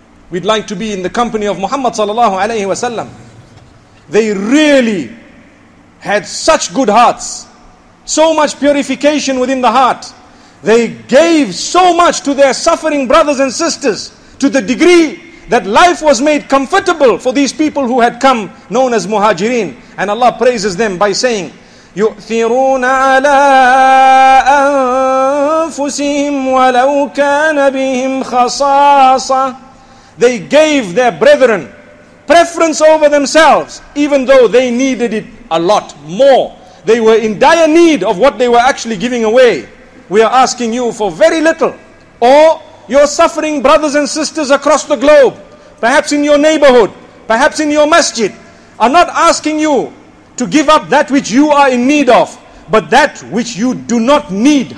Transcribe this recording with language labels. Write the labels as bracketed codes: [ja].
[en] We'd like to be in the company of Muhammad sallallahu alayhi wa sallam. They really had such good hearts, so much purification within the heart, they gave so much to their suffering brothers and sisters, to the degree that life was made comfortable for these people who had come, known as Muhajirin. And Allah praises them by saying, [ar] يُؤْثِرُونَ عَلَىٰ أَنفُسِهِمْ وَلَوْ كَانَ بِهِمْ خَصَاصًا. [en] They gave their brethren preference over themselves, even though they needed it a lot more. They were in dire need of what they were actually giving away. We are asking you for very little. Or your suffering brothers and sisters across the globe, perhaps in your neighborhood, perhaps in your masjid, are not asking you to give up that which you are in need of, but that which you do not need.